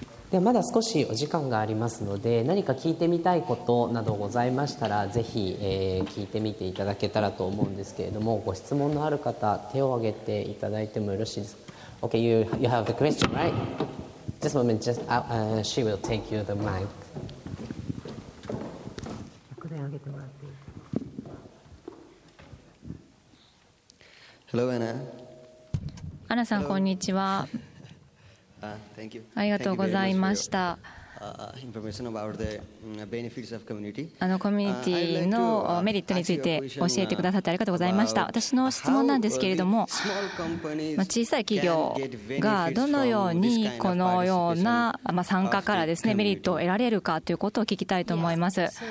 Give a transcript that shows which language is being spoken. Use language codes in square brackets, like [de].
[ja] ではまだ少しお時間がありますので、何か聞いてみたいことなどございましたらぜひ、聞いてみていただけたらと思うんですけれども、ご質問のある方手を挙げていただいてもよろしいですか。 [en] Okay, you have the question, right? Just a moment, just, she will take you the mic. Hello, Anna. [ja] Anna さん、こんにちは。 [en] Thank you. [ja] ありがとうございました。 [en] Information about the benefits of community. [ja] コミュニティのメリットについて教えてくださってありがとうございました。私の質問なんですけれども、小さい企業がどのようにこのような参加からですね、メリットを得られるかということを聞きたいと思います。